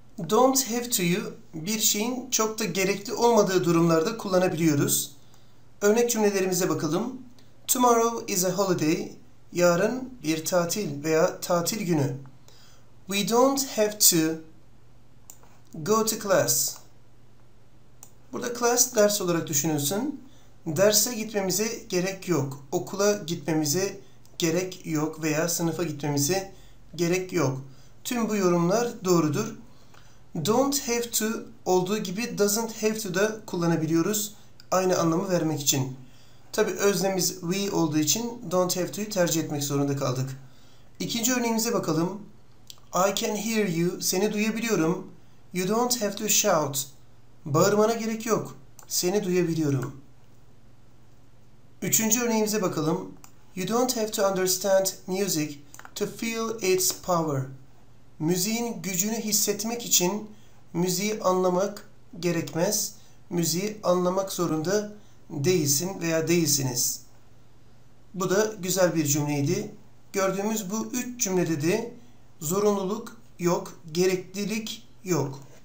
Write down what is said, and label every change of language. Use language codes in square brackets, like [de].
[tr] Don't have to'yu bir şeyin çok da gerekli olmadığı durumlarda kullanabiliyoruz. Örnek cümlelerimize bakalım. [en] Tomorrow is a holiday. [tr] Yarın bir tatil veya tatil günü. [en] We don't have to go to class. [tr] Burada class ders olarak düşünülsün. Derse gitmemize gerek yok. Okula gitmemize gerek yok veya sınıfa gitmemize gerek yok. Tüm bu yorumlar doğrudur. Don't have to olduğu gibi doesn't have to da kullanabiliyoruz aynı anlamı vermek için. Tabii öznemiz we olduğu için don't have to'yu tercih etmek zorunda kaldık. İkinci örneğimize bakalım. [en] I can hear you. [tr] Seni duyabiliyorum. [en] You don't have to shout. [tr] Bağırmana gerek yok. Seni duyabiliyorum. Üçüncü örneğimize bakalım. [en] You don't have to understand music to feel its power. [tr] Müziğin gücünü hissetmek için müziği anlamak gerekmez. Müziği anlamak zorunda değilsin veya değilsiniz. Bu da güzel bir cümleydi. Gördüğümüz bu üç cümlede de zorunluluk yok, gereklilik yok.